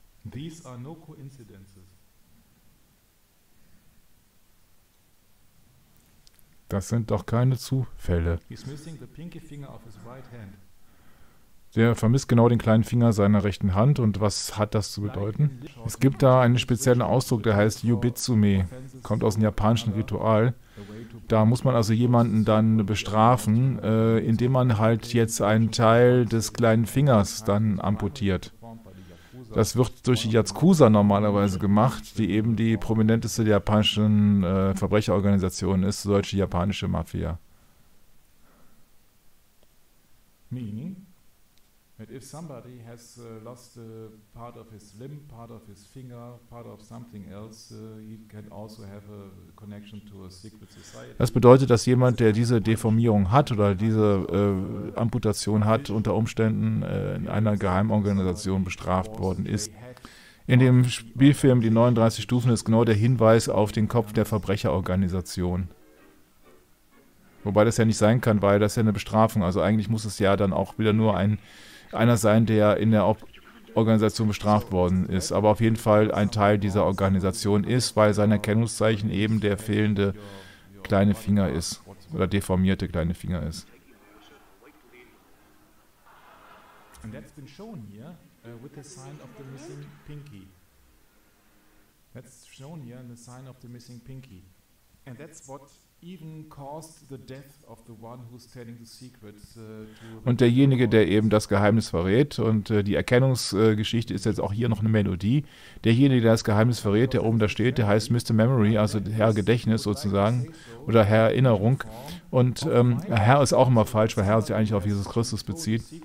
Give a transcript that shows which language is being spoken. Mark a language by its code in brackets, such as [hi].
[en] These are no coincidences. [de] Das sind doch keine Zufälle. [en] He's missing the pinky finger of his right hand. [de] Der vermisst genau den kleinen Finger seiner rechten Hand. Und was hat das zu bedeuten? Es gibt da einen speziellen Ausdruck, der heißt Yubitsume. Kommt aus einem japanischen Ritual. Da muss man also jemanden dann bestrafen, indem man halt jetzt einen Teil des kleinen Fingers dann amputiert. Das wird durch die Yakuza normalerweise gemacht, die eben die prominenteste der japanischen Verbrecherorganisation ist, solche japanische Mafia. [en] Meaning that if somebody has lost a part of his limb, part of his finger, part of something else, he can also have a connection to a secret society. [de] Das bedeutet, dass jemand, der diese Deformierung hat oder diese Amputation hat, unter Umständen in einer Geheimorganisation bestraft worden ist. In dem Spielfilm Die 39 Stufen ist genau der Hinweis auf den Kopf der Verbrecherorganisation. Wobei das ja nicht sein kann, weil das ist ja eine Bestrafung. Also eigentlich muss es ja dann auch wieder nur einer sein, der in der Organisation bestraft worden ist, aber auf jeden Fall ein Teil dieser Organisation ist, weil sein Erkennungszeichen eben der fehlende kleine Finger ist oder deformierte kleine Finger ist. [en] And that's been shown here with the sign of the missing pinky. That's shown here in the sign of the missing pinky. And that's what even caused the death of the one who's telling the secrets to the. [de] Und derjenige, der eben das Geheimnis verrät, und die Erkennungsgeschichte ist jetzt auch hier noch eine Melodie. Derjenige, der das Geheimnis verrät, der oben da steht, der heißt Mr. Memory, also Herr Gedächtnis sozusagen, oder Herr Erinnerung. Und Herr ist auch immer falsch, weil Herr sich eigentlich auf Jesus Christus bezieht.